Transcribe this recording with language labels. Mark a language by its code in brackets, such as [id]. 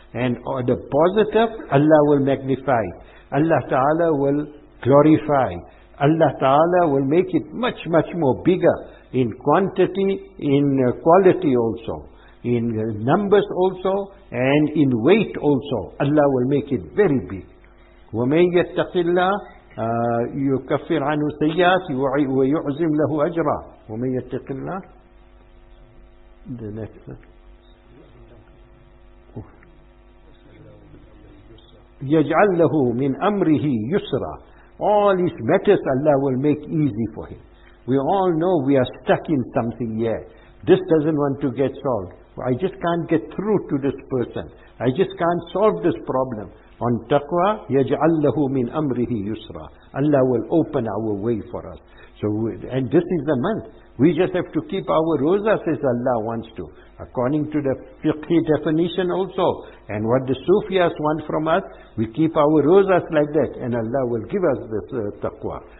[en] And the positive, Allah will magnify. Allah Ta'ala will glorify. Allah Ta'ala will make it much, much more bigger in quantity, in quality also. In numbers also, and in weight also. Allah will make it very big. [ar] وَمَنْ يَتَّقِ اللَّهِ يكفر عنه سيئات ويعزم له أجرا ومن يتق الله [en] the next [ar] يجعل له من أمره يسرا. [en] All his matters Allah will make easy for him. We all know we are stuck in something here. This doesn't want to get solved. I just can't get through to this person. I just can't solve this problem. On taqwa, [ar] يَجْعَلْ لَهُ مِنْ أَمْرِهِ يُسْرًا. [en] Allah will open our way for us. So, and this is the month. We just have to keep our rozas as Allah wants to. According to the fiqhi definition also, and what the Sufis want from us, we keep our rozas like that, and Allah will give us this taqwa.